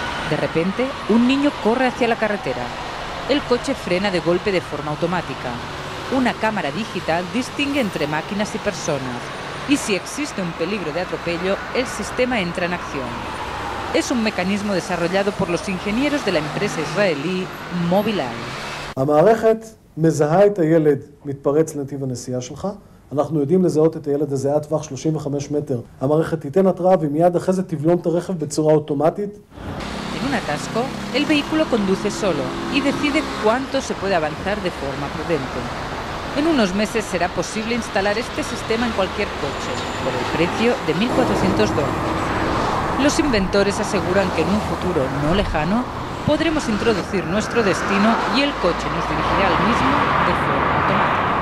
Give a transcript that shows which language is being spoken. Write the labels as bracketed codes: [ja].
[es] De repente, un niño corre hacia la carretera. El coche frena de golpe de forma automática. Una cámara digital distingue entre máquinas y personas. Y si existe un peligro de atropello, el sistema entra en acción. Es un mecanismo desarrollado por los ingenieros de la empresa israelí Movie222. [he] מזהה את הילד מתפרץ לנתיב הנסיעה שלך, אנחנו יודעים לזהות את הילד הזה עד טווח 35 מטר. המערכת תיתן התראה ומיד אחרי זה תבלום את הרכב בצורה אוטומטית. [es] En un atasco, el vehículo conduce solo y decide cuánto se puede avanzar de forma prudente. En unos meses será posible instalar este sistema en cualquier coche, por el precio de $1,400. Los inventores aseguran que en un futuro no lejano, podremos introducir nuestro destino y el coche nos dirigirá al mismo de forma automática.